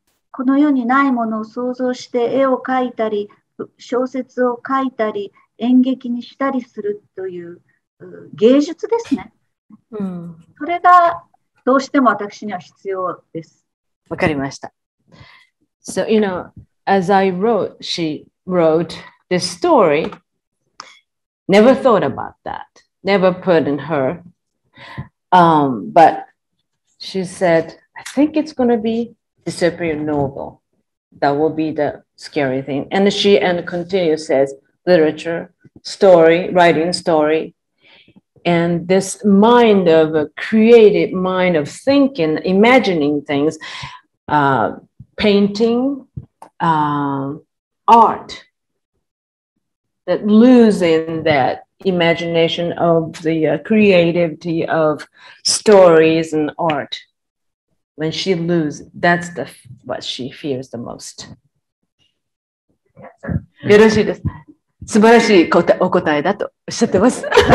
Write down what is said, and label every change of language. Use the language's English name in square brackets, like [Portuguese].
[Japanese] この世にないものを想像して絵を描いたり、小説を描いたり、演劇にしたりするという芸術ですね。うん、それがどうしても私には必要です。わかりました。 [English] So, you know, as I wrote, she wrote this story, never thought about that, never put in her. But she said, I think it's going to be disappear novel. That will be the scary thing. And she and continue says literature, story, writing story. And this mind of a creative mind of thinking, imagining things, painting, art, that losing that. Imagination of the creativity of stories and art. When she loses, that's the, what she fears the most. [Japanese] よろしいです。素晴らしいお答えだとおっしゃってます。